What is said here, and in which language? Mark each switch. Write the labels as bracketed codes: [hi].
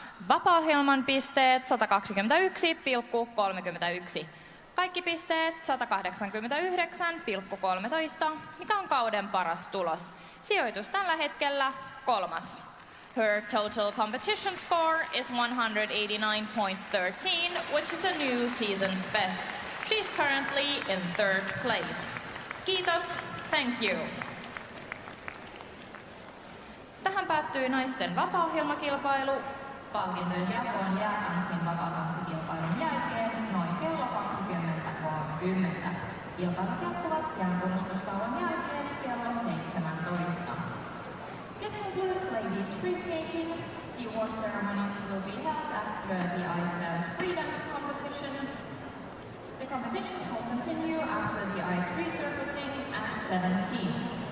[fi] Vapaa-ohjelman pisteet 121,31. Kaikki pisteet 189,13, mikä on kauden paras tulos. Sijoitus tällä hetkellä kolmas. [en] Her total competition score is 189,13, which is a new season's best. She's currently in third place. [fi] Kiitos, [en] thank you. [fi] Tähän päättyy naisten vapaa-ohjelmakilpailu. Palkintojen jakoon jää äsken vapaa-ohjelmakilpailun jälkeen noin kello 20.30. Kilpailut jatkuvat jäänkunnostustauon jälkeen kello 17. [en] This concludes ladies free skating. The award ceremonies will be held after the Ice Dance Free Dance Competition. The competitions will continue after the ice resurfacing at 17.